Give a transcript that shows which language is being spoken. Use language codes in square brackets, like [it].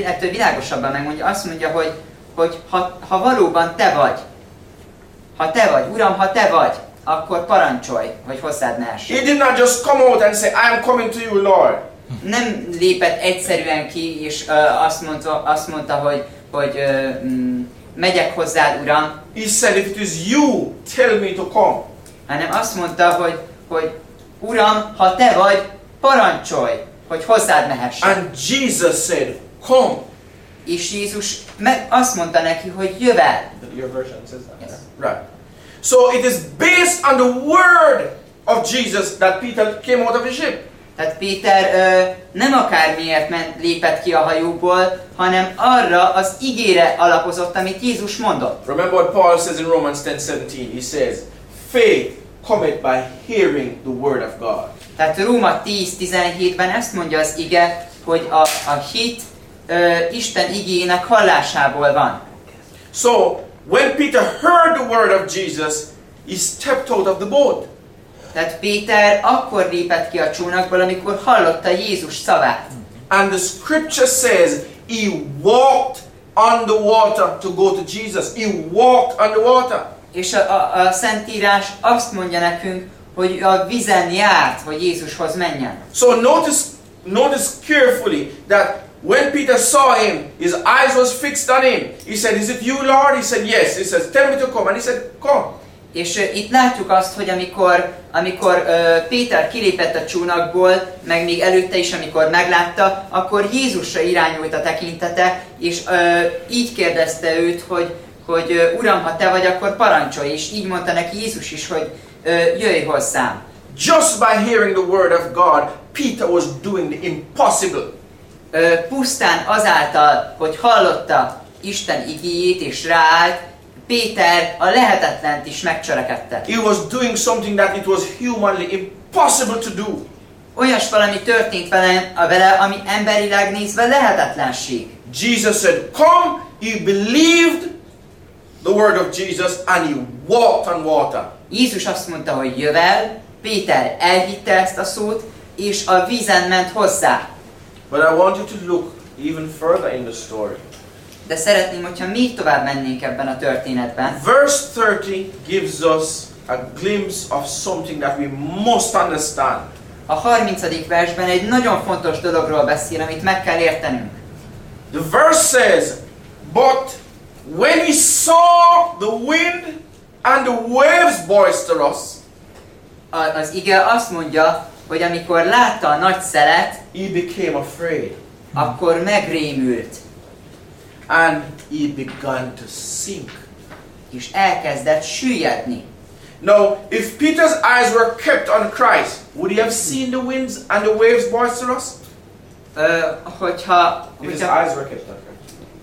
[hu] Világosabban megmondja, azt mondja, hogy ha valóban te vagy, ha te vagy, Uram, ha te vagy, akkor parancsolj, hogy hozzád ne essen. [en] He did not just come out and say, I am coming to you, Lord. [hu] Nem lépett egyszerűen ki, és azt mondta, hogy megyek hozzád, Uram. [en] He said, if it is you, tell me to come. [hu] hanem azt mondta, hogy, hogy Uram, ha te vagy, parancsolj, hogy hozzád mehessen. [en] And Jesus said, come. [hu] És Jézus azt mondta neki, hogy jöv el. [en] Your version says that. Yes. Right. So it is based on the word of Jesus that Peter came out of the ship. [hu] Tehát Péter nem akármiért lépett ki a hajóból, hanem arra az igére alapozott, amit Jézus mondott. [en] Remember what Paul says in Romans 10:17. He says, faith cometh by hearing the word of God. [hu] Tehát Róma 10:17-ben ezt mondja az ige, hogy a hit Isten igéjének hallásából van. [en] So, when Peter heard the word of Jesus, he stepped out of the boat. [hu] Tehát Péter akkor lépett ki a csónakból, amikor hallotta Jézus szavát. [en] And the scripture says he walked on the water to go to Jesus. He walked on the water. [hu] És a Szentírás azt mondja nekünk, hogy a vízen járt, hogy Jézushoz menjen. [en] So notice carefully that when Peter saw him, his eyes was fixed on him. He said, "Is it you, Lord?" He said, "Yes." He says, "Tell me to come." And he said, "Come." [hu] És itt látjuk azt, hogy amikor Péter kilépett a csónakból, meg még előtte is, amikor meglátta, akkor Jézusra irányult a tekintete, és így kérdezte őt, hogy Uram, ha te vagy, akkor parancsolj, és így mondta neki Jézus is, hogy jöjj hozzám. [en] Just by hearing the word of God, Peter was doing the impossible. [hu] Pusztán azáltal, hogy hallotta Isten igéjét és ráállt, Péter a lehetetlent is megcselekedte. [en] He was doing something that it was humanly impossible to do. [hu] Olyas valami történt vele, ami emberileg nézve lehetetlenség. [en] Jesus said, come, he believed the word of Jesus and he walked on water. [hu] Jézus azt mondta, hogy jöv el, Péter elhitte ezt a szót, és a vízen ment hozzá. [en] But I want you to look even further in the story. [hu] De szeretném, hogyha még tovább mennénk ebben a történetben. [en] Verse 30 gives us a glimpse of something that we must understand. [hu] A 30. versben egy nagyon fontos dologról beszél, amit meg kell értenünk. [en] The verse says, but when he saw the wind and the waves boisterous. [hu] Az ige azt mondja, hogy amikor látta a nagy szelet, [en] he became afraid. [hu] Akkor megrémült. [en] And he began to sink. [hu] És elkezdett süllyedni. [en] Now, if Peter's eyes were kept on Christ, would he have seen the winds and the waves boisterous? [hu] Hogyha [en] his eyes were kept on Christ.